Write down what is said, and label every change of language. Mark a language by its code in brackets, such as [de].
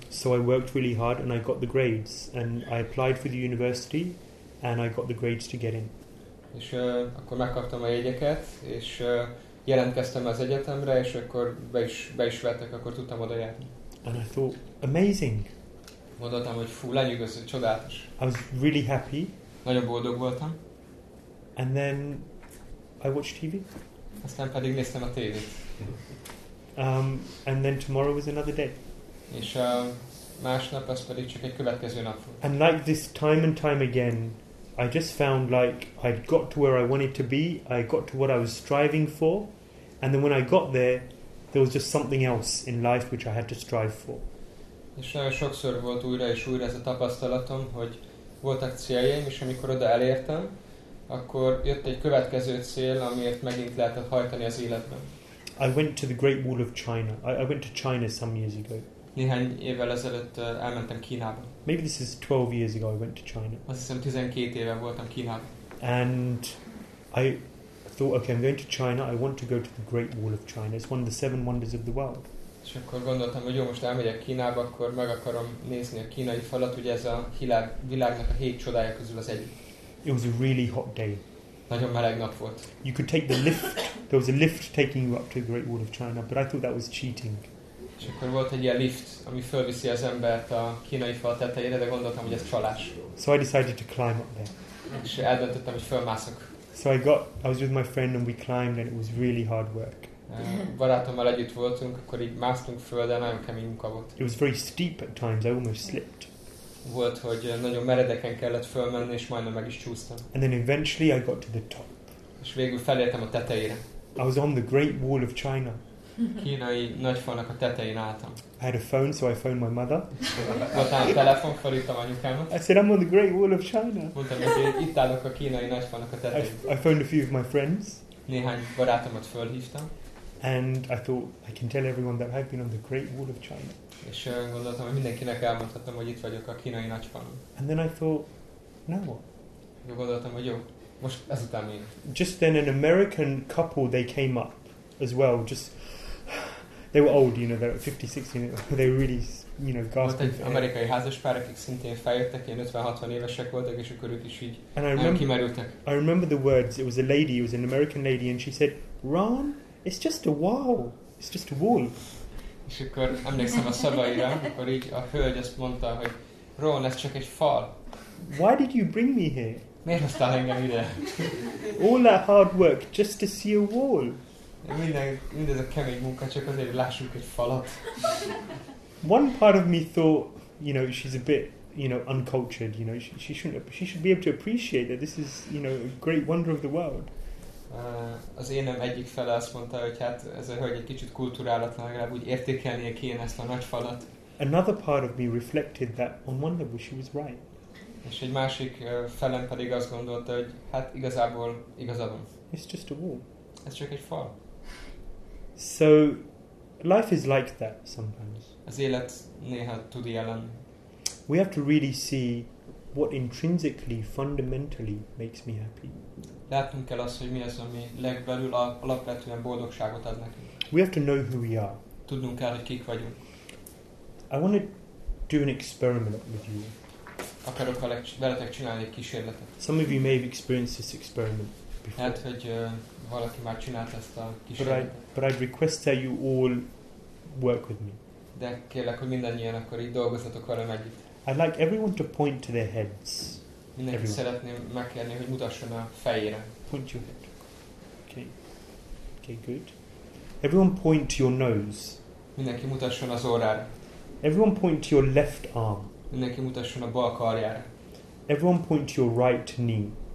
[en] So I worked really hard and I got the grades, and I applied for the university, and I got the grades to get in. [hu] És akkor megkaptam a jegyeket, és jelentkeztem az egyetemre, és akkor be is vettek, akkor tudtam oda járni. [en] And I thought, amazing. [hu] Mondottam, hogy fú, lenyűgöző, csodálatos. [en] I was really happy. [hu] Nagyon boldog voltam. [en] And then I watched TV. [hu] Aztán pedig néztem a tévét. [en] And then tomorrow was another day. [hu] És másnap az pedig csak egy következő nap volt. [en] And like this time and time again, I just found like I'd got to where I wanted to be, I got to what I was striving for, and then when I got there, there was just something else in life which I had to strive for. [hu] És nagyon sokszor volt újra és újra ez a tapasztalatom, hogy voltak céljaim, és amikor oda elértem, akkor jött egy következő cél, amiért megint lehetett hajtani az életben. [en] I went to the Great Wall of China. I went to China some years ago. [hu] Néhány évvel ezelőtt elmentem Kínába. [en] Maybe this is 12 years ago I went to China. [hu] Azt hiszem 12 éve voltam Kínában. [en] And I thought, okay, I'm going to China, I want to go to the Great Wall of China. It's one of the seven wonders of the world. [hu] És akkor gondoltam, hogy jó, most elmegyek Kínába, akkor meg akarom nézni a kínai falat, ugye ez a világnak a hét csodája közül az egyik. [en] It was a really hot day. [hu] Nagyon meleg nap volt. [en] You could take the lift, there was a lift taking you up to the Great Wall of China, but I thought that was cheating. [hu] És akkor volt egy ilyen lift, ami fölviszi az embert a kínai fal tetejére, de gondoltam, hogy ez csalás. [en] So I decided to climb up there. [hu] És eldöntöttem, hogy fölmászok. [en] So I was with my friend and we climbed and it was really hard work. [hu] Barátommal együtt voltunk, akkor így másztunk föl, de nagyon kemény munka volt. [en] It was very steep at times, I almost slipped. [hu] Volt, hogy nagyon meredeken kellett fölmenni, és majdnem meg is csúsztam. [en] And then eventually I got to the top. [hu] És végül felértem a tetejére. [en] I was on the Great Wall of China. [hu] Kínai nagy falnak a tetején álltam. [en] I had a phone, so I phoned my mother. [hu] Mondtam, telefon, felhívtam anyukámat. [en] I said, I'm on the Great Wall of China. [hu] Mondtam, hogy itt állok a kínai nagy falnak a tetején. [en] I phoned a few of my friends. [hu] Néhány barátomat felhívtam. [en] And I thought, I can tell everyone that I've been on the Great Wall of China. [hu] És gondoltam, hogy mindenkinek elmondhatom, hogy itt vagyok a kínai nagy falon. [en] And then I thought, now what? [hu] Gondoltam, hogy jó, most ezután mi? [en] Just then an American couple, they came up as well, just... They were old, you know, they were 50, 60, they were really, you know, gasping. [hu] Volt egy amerikai házaspár, akik szintén feljöttek, ilyen 50-60 évesek voltak, és akkor ők is így nagyon kimerültek. [en] I remember the words, it was a lady, it was an American lady, and she said, Ron, it's just a wall, it's just a wall. [hu] És akkor emlékszem a szavaira, akkor így a hölgy azt mondta, hogy Ron, ez csak egy fal. [en] Why did you bring me here? [hu] Miért hoztál engem ide? [en] All that hard work just to see a wall. [hu] Mindez a kemény munka, csak azért, hogy lássuk egy falat. [en] One part of me thought, you know, she's a bit, you know, uncultured, you know, she should be able to appreciate that this is, you know, a great wonder of the world. [hu] Az énem egyik fele azt mondta, hogy hát ez a hölgy egy kicsit kulturálatlan, legalább úgy értékelnie ki én ezt a nagy falat. [en] Another part of me reflected that on one level she was right. [hu] És egy másik felem pedig azt gondolta, hogy hát igazából igazadom. [en] It's just a wall. [hu] Ez csak egy fal. [en] So life is like that sometimes. [hu] Az élet néha tud ilyen lenni. [en] We have to really see what intrinsically, fundamentally makes me happy. [hu] Látnunk kell azt, hogy mi az, ami legbelül alapvetően boldogságot ad nekünk. [en] We have to know who we are. [hu] Tudnunk kell, hogy kik vagyunk. [en] I want to do an experiment with you. [hu] Akarok veletek csinálni egy kísérletet. [en] Some of you may have experienced this experiment. [hu] Hát, hogy valaki már csinált ezt a kísérletet. [en] But I request that you all work with me. [hu] De kérlek, hogy mindannyian akkor így dolgozzatok velem együtt. [en] I'd like everyone to point to their heads. [hu] Mindenki [en] everyone. [hu] Szeretném megkérni, hogy mutasson a fejére. [en] Point your head. Okay, good. Everyone point to your nose. [hu] Mindenki mutasson az orrára. [en] Everyone point to your left arm. [hu] Mindenki mutasson a bal karjára. [en] Everyone point to your right knee.